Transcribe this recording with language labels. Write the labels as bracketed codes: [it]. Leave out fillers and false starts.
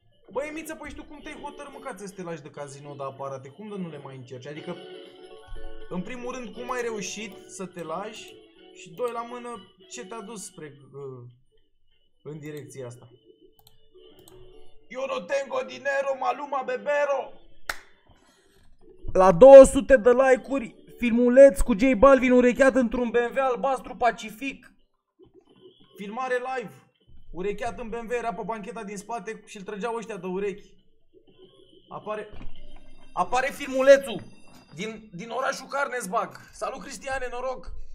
[ro] Băi, Miță, păi și tu cum te-ai hotărât, mă, ca să te lași de casino de aparate, cum de nu le mai încerci? Adică, în primul rând, cum ai reușit să te lași și doi la mână, ce te-a dus spre, în direcția asta? [es] Yo no tengo dinero, maluma bebero! [ro] La 200 de like-uri, filmuleț cu J Balvin urecheat într-un BMW albastru pacific. Filmare live. Urecheat în BMW, era pe bancheta din spate și îl trăgeau ăștia de urechi. Apare filmulețul din orașul Carnesbag. Salut, Cristiane, noroc.